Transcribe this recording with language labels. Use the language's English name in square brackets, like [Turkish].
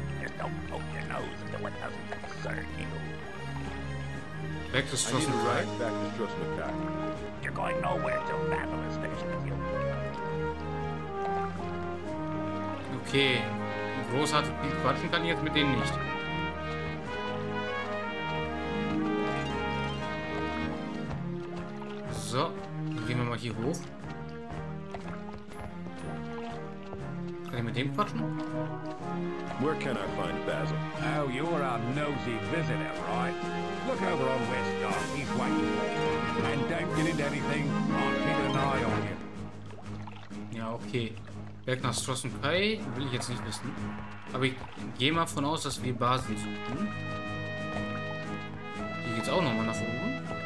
[English] Just don't poke your nose into what doesn't concern you. Back to Stros M'kai. Back to Stros M'kai. You're going nowhere till Basil is finished with you. Okay. [German] Großartig, die quatschen kann ich jetzt mit denen nicht. So, dann gehen wir mal hier hoch. Kann ich mit dem quatschen? [English] Where can I find Basil? Oh, you're a nosy visitor, right? Look over on West Dock, he's waiting for you. And don't get into anything, I'll keep an eye on you. [German] Ja, okay. Berg nach Stros M'kai will ich jetzt nicht wissen. Aber ich gehe mal von aus, dass wir Basil suchen. Hier geht's auch nochmal nach oben.